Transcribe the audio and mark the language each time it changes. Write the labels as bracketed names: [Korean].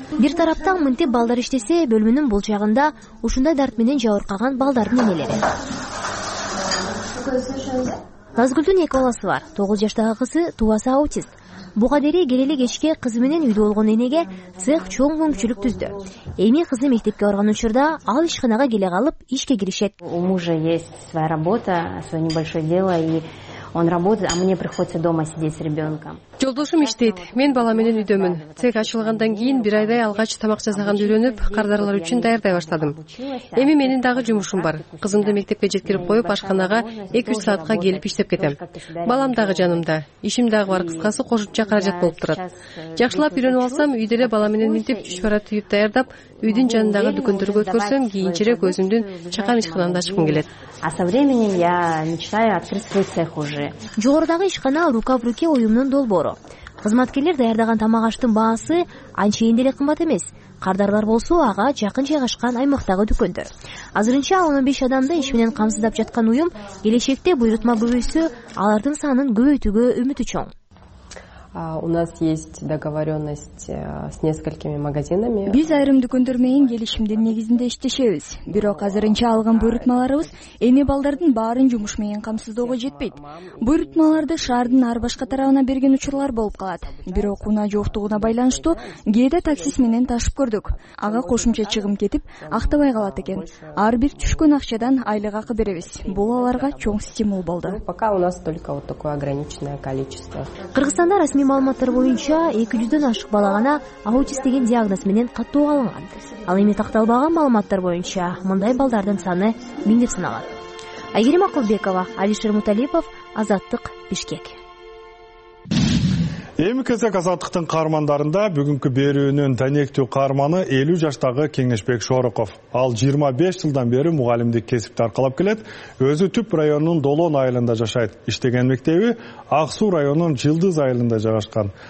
[Kyrgyz] Бир тараптан мынтип балдар иштесе бөлмөнүн болчагында ушундай дарт менен жабыркаган балдардын энелери. Назгүлдүн эки баласы бар. 9 жаштагы кызы туубасы аутист. Буга дери келели кечке кызы менен үйдө болгон энеге цех чоң мүмкүнчүлүк түздү. Эми кызы мектепке барган учурда ал ишканага келе калып ишке киришет. [Russian] У мужа есть своя работа, своё небольшое дело и он работает, а мне приходится дома сидеть с ребенком. [Kyrgyz] Жолдошум иштейт. Мен бала менен үйдөмүн. Цех ачылгандан кийин бир айдай алгач тамак жасаганды үйрөнүп, кардарлар үчүн даярдай баштадым. Эми менин дагы жумушум бар. Кызымды мектепке жеткирип коюп, ашканага 2-3 саатка келип иштеп кетем. Балам дагы жанымда. Ишим дагы бар, кыскасы кошумча каражат болуп турат. Жакшылап үйрөнүп алсам, үйдө эле бала менен мынтип түшпара түйүп даярдап, үйдүн жанындагы дүкөндөргө өткөрсөм, кийинчерээк өзүмдүн чакан ишканамды ачкым келет. [Russian] А со временем я мечтаю открыть свой цех уже. [Kyrgyz] Жогорудагы ишкана рука в руке уюмнун долбоору. Кызматкерлер даярдаган тамак аштын баасы анчейинде эле кымбат эмес. Кардарлар болсо ага жакын жайгашкан аймактагы дүкөндөр. Азырынча 15 адамды иш менен камсыздап жаткан уюм келечекте буйрутма көбөйсө алардын санын көбөйтүүгө үмүтү чоң. [Russian] У нас есть договоренность с несколькими магазинами. [Kyrgyz] Биз айрым дүкөндөр менен келишимдин негизинде иштешебиз. Бирок азырынча алган буйрутмаларыбыз эми балдардын баарын жумуш менен камсыздоого жетпейт. Буйрутмаларды шаардын ар башка тарабына берген учурлар болуп калат. Бирок унаа жоктугуна байланыштуу кээде таксист менен ташып көрдүк. Ага кошумча чыгым кетип, актабай калат экен. Ар бир түшкөн акчадан айлык акы беребиз. Бул аларга чоң стимул болду. [Russian] Пока у нас только вот такое ограниченное количество. [Kyrgyz] Кыргызстанда расмий маалыматтар боюнча 200 ашык бала гана аутист деген диагноз менен каттоо алынган. Ал эми такталбаган маалыматтар боюнча мындай балдардын саны миң деп саналат. Айгерим Акылбекова, Алишер Муталипов, Азаттык, Бишкек. Эми кезек Азаттыктын каармандарында бүгүнкү берүүнүн данектүү каарманы 50 жаштагы Кеңешбек Шорыков. Ал 25 жылдан бери мугалимдик кесипти аркалап келет. Өзү Түп районунун Долоон айылында жашайт. Иштеген мектеби Аксуу районунун Жылдыз айылында жайгашкан.